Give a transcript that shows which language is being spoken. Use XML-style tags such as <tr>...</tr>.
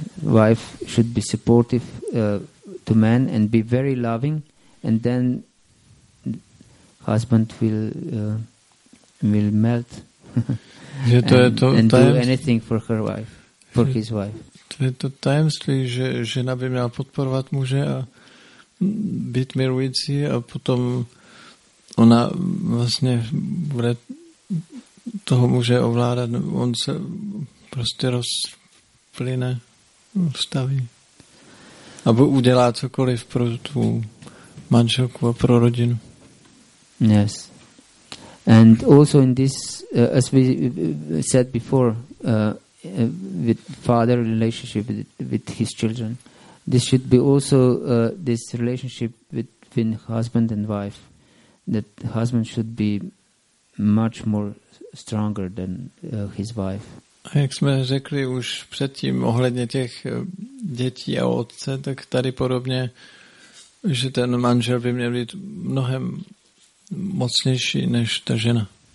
<en>Wife should be supportive to man and be very loving, and then husband will melt and do anything for her wife, for his wife.</en> <cs>To je to tajemství, že žena by měla podporovat muže a být milující a potom ona vlastně bude toho muže ovládat. On se prostě rozplyne, staví a udělá cokoliv pro tu manželku a pro rodinu.</cs> <en>Yes. And also in this, as we said before, with father relationship with his children, this should be also this relationship between husband and wife, that husband should be much more stronger than his wife.</en> <cs>A jak jsme řekli už předtím ohledně těch dětí a otce, tak tady podobně, že ten manžel by měl být mnohem mocnější než ta žena.</cs>